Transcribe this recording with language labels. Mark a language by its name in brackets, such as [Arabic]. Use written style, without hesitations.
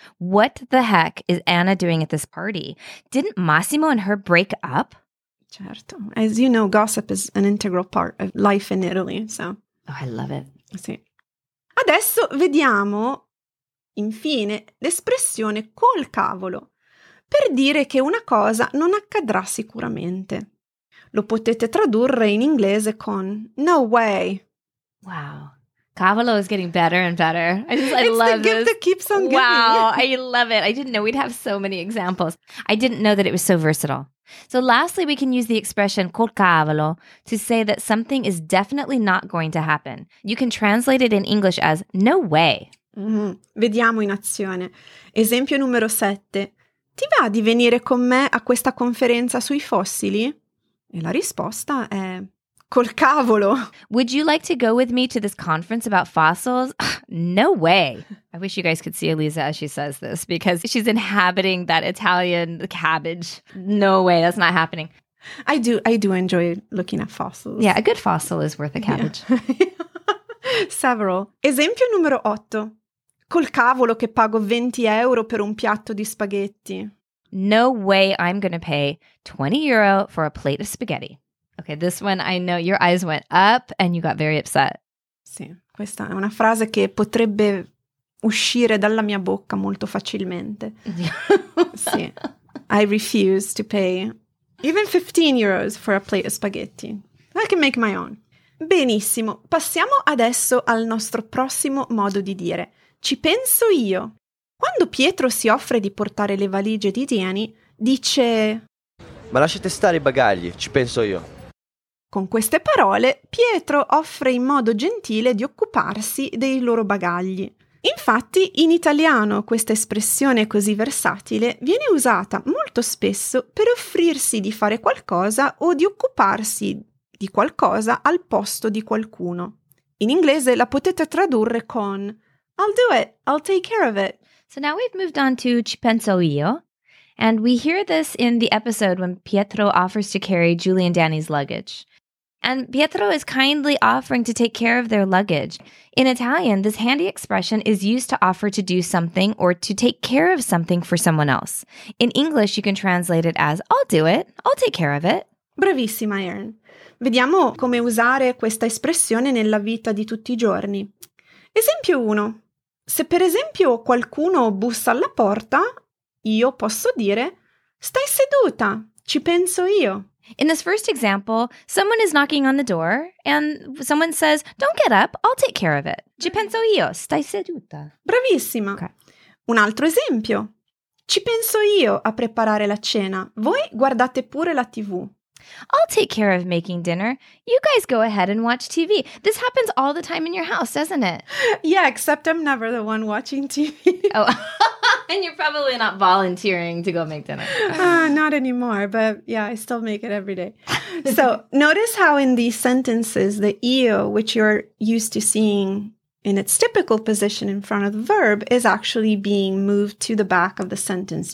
[English] What the heck is Anna doing at this party? Didn't Massimo and her break up? [Italian] Certo. [English] As you know, gossip is an integral part of life in Italy, so. Oh, I love it. [Italian] Sì. Adesso vediamo, infine, l'espressione col cavolo, per dire che una cosa non accadrà sicuramente. Lo potete tradurre in inglese con no way. [English] Wow. Cavolo is getting better and better. I love this. It's the gift that keeps on giving. Wow, I love it. I didn't know we'd have so many examples. I didn't know that it was so versatile. So lastly, we can use the expression col cavolo to say that something is definitely not going to happen. You can translate it in English as no way. Mm-hmm. [Italian] Vediamo in azione. Esempio numero 7. Ti va di venire con me a questa conferenza sui fossili? E la risposta è col cavolo. [English] Would you like to go with me to this conference about fossils? No way. I wish you guys could see Elisa as she says this because she's inhabiting that Italian cabbage. No way, that's not happening. I do enjoy looking at fossils. Yeah, a good fossil is worth a cabbage. Yeah. Several. [Italian] Esempio numero 8. Col cavolo che pago 20 euro per un piatto di spaghetti. [English] No way I'm going to pay 20 euro for a plate of spaghetti. Okay, this one I know your eyes went up and you got very upset. [Italian] Sì, questa è una frase che potrebbe uscire dalla mia bocca molto facilmente. [English] Sì, I refuse to pay even 15 euros for a plate of spaghetti. I can make my own. [Italian] Benissimo, passiamo adesso al nostro prossimo modo di dire. Ci penso io. Quando Pietro si offre di portare le valigie di Dani, dice... Ma lasciate stare i bagagli, ci penso io. Con queste parole, Pietro offre in modo gentile di occuparsi dei loro bagagli. Infatti, in italiano, questa espressione così versatile viene usata molto spesso per offrirsi di fare qualcosa o di occuparsi di qualcosa al posto di qualcuno. In inglese la potete tradurre con... [English] I'll do it, I'll take care of it. So now we've moved on to ci penso io, and we hear this in the episode when Pietro offers to carry Julie and Danny's luggage. and Pietro is kindly offering to take care of their luggage. In Italian, this handy expression is used to offer to do something or to take care of something for someone else. In English, you can translate it as, I'll do it, I'll take care of it. [Italian] Bravissima, Erin. Vediamo come usare questa espressione nella vita di tutti i giorni. Esempio 1. Se per esempio qualcuno bussa alla porta, io posso dire, stai seduta, ci penso io. [English] In this first example, someone is knocking on the door and someone says, don't get up, I'll take care of it. [Italian] Ci penso io, stai seduta. Bravissima. [English] Okay. [Italian] Un altro esempio. Ci penso io a preparare la cena, voi guardate pure la TV. [English] I'll take care of making dinner. You guys go ahead and watch TV. This happens all the time in your house, doesn't it? Yeah, except I'm never the one watching TV. Oh, and you're probably not volunteering to go make dinner. Not anymore, but yeah, I still make it every day. So notice how in these sentences, the io, which you're used to seeing in its typical position in front of the verb, is actually being moved to the back of the sentence.